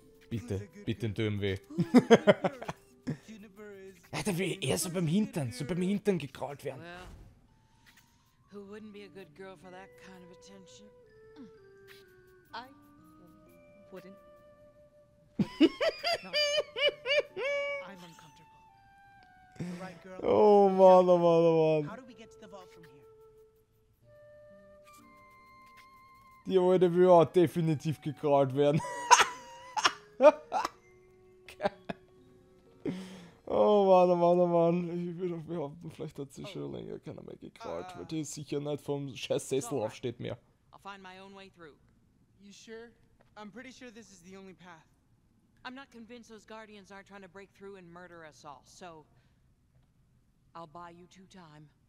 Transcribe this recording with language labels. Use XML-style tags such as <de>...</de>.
<de>Bitte, bitte im Dömen weh. Ja, da will ich eher so beim Hintern gekrault werden.</de> <en>Who wouldn't be a good girl for that kind of attention? I wouldn't. I'm uncomfortable. The right girl.</en> <de>Oh Mann, oh Mann, oh Mann.</de> <en>How do we get to the vault from here?</en> <de>Die Alte will auch definitiv gekrault werden. Oh Mann, oh Mann, oh Mann. Ich würde auch behaupten, vielleicht hat sie schon länger keiner mehr gekrault, weil die sicher nicht vom scheiß Sessel aufsteht mehr.</de> <en>I'll find my own way through. You sure? I'm pretty sure this is the only path. I'm not convinced those guardians aren't trying to break through and murder us all, so I'll buy you two time.</en>